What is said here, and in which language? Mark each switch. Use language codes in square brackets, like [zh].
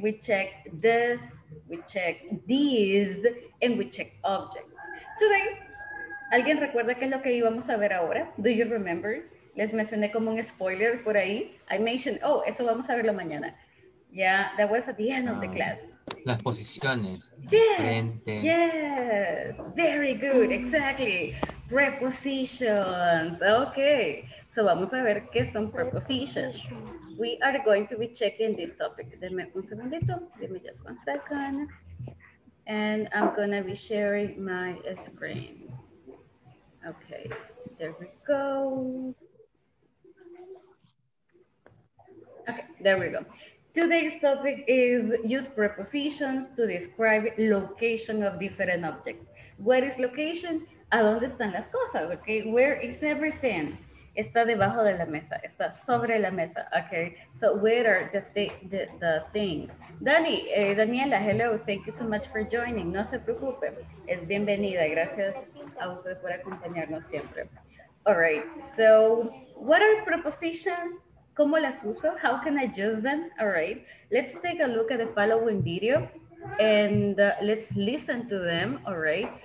[en] We checked this, we checked these, and we checked objects. [es] Today, ¿alguien recuerda qué es lo que íbamos a ver ahora? [en] Do you remember? [es] Les mencioné como un spoiler por ahí. [en] I mentioned, oh, [es] eso vamos a verlo mañana. [en] Yeah, that was at the end of the class. [es] Las posiciones. [en] Yes, frente. Yes, very good, exactly. Prepositions, okay. So [es] vamos a ver qué son prepositions. [en] We are going to be checking this topic. [es] Deme un segundito. Deme [en] just one second. And I'm going to be sharing my screen. Okay, there we go. Okay, there we go. Today's topic is use prepositions to describe location of different objects. What is location? [es] ¿A dónde están las cosas? [en] Okay, where is everything? [es] Está debajo de la mesa, está sobre la mesa, okay? [en] So where are the things? Dani, Daniela, hello, thank you so much for joining. [es] No se preocupe, es bienvenida. Gracias a usted por acompañarnos siempre. [en] All right, so what are prepositions? [es] ¿Cómo las uso? [en] How can I use them? All right, let's take a look at the following video and let's listen to them, all right?